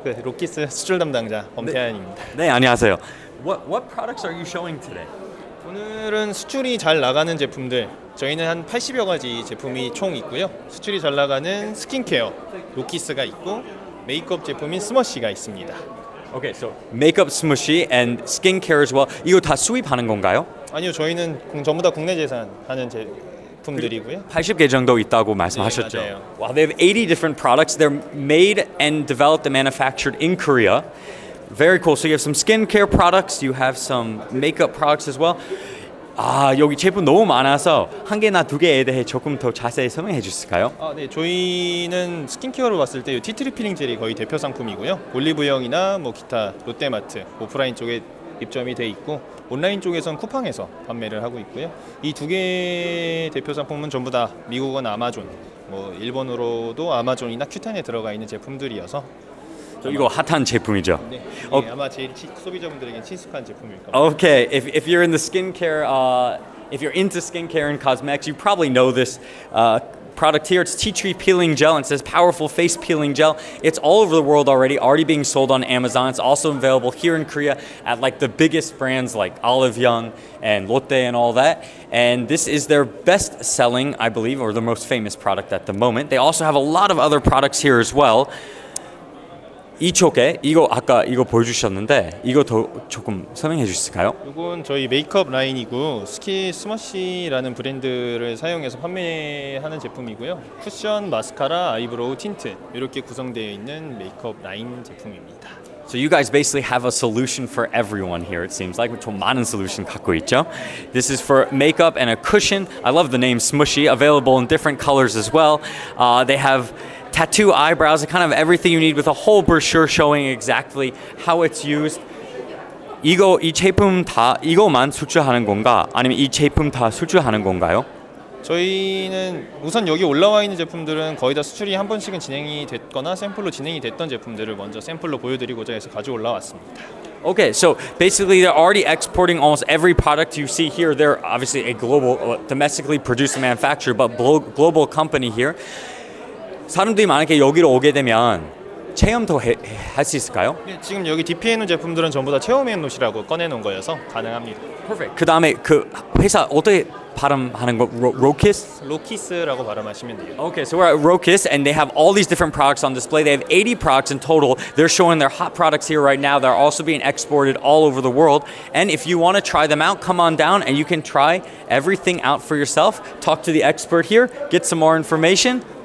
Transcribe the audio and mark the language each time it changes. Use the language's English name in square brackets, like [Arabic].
[Korean] 그 로키스 수출 담당자 엄태현입니다. 네, 안녕하세요. [English] What products are you showing today? [Korean] 오늘은 수출이 잘 나가는 제품들, 저희는 한 80여 가지 제품이 총 있고요. 수출이 잘 나가는 스킨케어, 로키스가 있고, 메이크업 제품인 스머시가 있습니다. [English] Okay, so makeup smushy and skincare as well. [Korean] 이거 다 수입하는 건가요? 아니요, 저희는 전부 다 국내 재산 하는 제품들이고요. 80개 정도 있다고 말씀하셨죠? 네, 맞아요. [English] Wow, they have 80 different products. They're made and developed and manufactured in Korea. Very cool. So you have some skincare products, you have some makeup products as well. [Korean] 아, 여기 제품 너무 많아서 한 개나 두 개에 대해 조금 더 자세히 설명해 주실까요? 아, 네. 저희는 스킨케어로 봤을 때 티트리 필링 젤이 거의 대표 상품이고요. 올리브영이나 뭐 기타 롯데마트 오프라인 쪽에 입점이 돼 있고 온라인 쪽에선 쿠팡에서 판매를 하고 있고요. 이 두 개 대표 상품은 전부 다 미국은 아마존, 뭐 일본으로도 아마존이나 큐텐에 들어가 있는 제품들이어서 이거 핫한 제품이죠. 네, 네 아마 제일 소비자분들에게 친숙한 제품일 겁니다. [English] Okay, if you're in the skincare, if you're into skincare and cosmetics, you probably know this product here. It's tea tree peeling gel. It says powerful face peeling gel. It's all over the world already. Already being sold on Amazon. It's also available here in Korea at like the biggest brands like Olive Young and Lotte and all that. And this is their best selling, I believe, or the most famous product at the moment. They also have a lot of other products here as well. [Korean] 이쪽에 이거 아까 이거 보여주셨는데 이거 더 조금 설명해 주실까요? 이건 저희 메이크업 라인이고 스킨 스머시라는 브랜드를 사용해서 판매하는 제품이고요. 쿠션, 마스카라, 아이브로우, 틴트 이렇게 구성되어 있는 메이크업 라인 제품입니다. [English] So you guys basically have a solution for everyone here, it seems like. [Korean] 좀 많은 솔루션 갖고 있죠? [English] This is for makeup and a cushion. I love the name Smushy, available in different colors as well. They have tattoo, eyebrows, kind of everything you need with a whole brochure showing exactly how it's used. [Korean] 이거 이 제품 다 이거만 수출하는 건가? 아니면 이 제품 다 수출하는 건가요? 저희는 우선 여기 올라와 있는 제품들은 거의 다 수출이 한 번씩은 진행이 됐거나 샘플로 진행이 됐던 제품들을 먼저 샘플로 보여드리고자 해서 가져 올라왔습니다. [English] Okay, so basically they're already exporting almost every product you see here. They're obviously a global, domestically produced manufacturer, but global company here. [Korean] 사람들이 만약에 여기로 오게 되면 체험도 할 수 있을까요? 네, 지금 여기 DP해 놓은 제품들은 전부 다 체험해 놓으시라고 꺼내 놓은 거여서 가능합니다. [English] Perfect. [Korean] 그 다음에 그 회사 어떻게 발음하는 거? [English] Rokiss? [Korean] Rokiss라고 발음하시면 돼요. [English] Okay, so we're at Rokiss and they have all these different products on display. They have 80 products in total. They're showing their hot products here right now. They're also being exported all over the world. And if you want to try them out, come on down and you can try everything out for yourself. Talk to the expert here, get some more information.